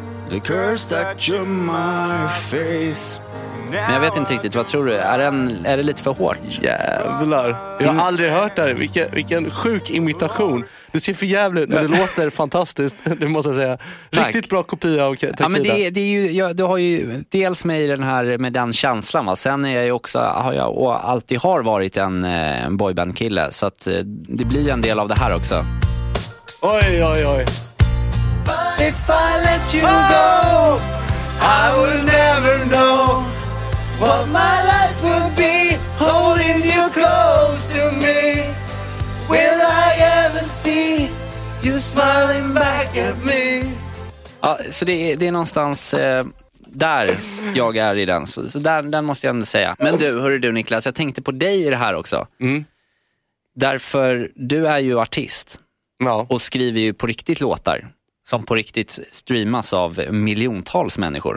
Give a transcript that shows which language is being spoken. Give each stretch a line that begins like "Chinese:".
English: The curse touch of my face.
Swedish: Men jag vet inte riktigt, vad tror du? Är det lite för hårt? Jävlar, jag har aldrig hört det här. Vilken sjuk imitation. Du ser för jävligt, men det låter fantastiskt. Det måste jag säga. Riktigt tack. Bra kopia och Takida. Ja, men det är ju, du har ju dels med den här, med den känslan, va? Sen är jag ju också, har jag alltid har varit en boybandkille. Så att det blir en del av det här också. Oj, oj, oj.
English: But if I let you go, I will never know what my life would be, holding you close to me. Will I ever see you smiling back at me?
Swedish: Ja, så det är någonstans där jag är i den. Så den måste jag ändå säga. Men du, hörru du Niklas, jag tänkte på dig i det här också. Mm. Därför, du är ju artist. Ja. Och skriver ju på riktigt låtar. Som på riktigt streamas av miljontals människor.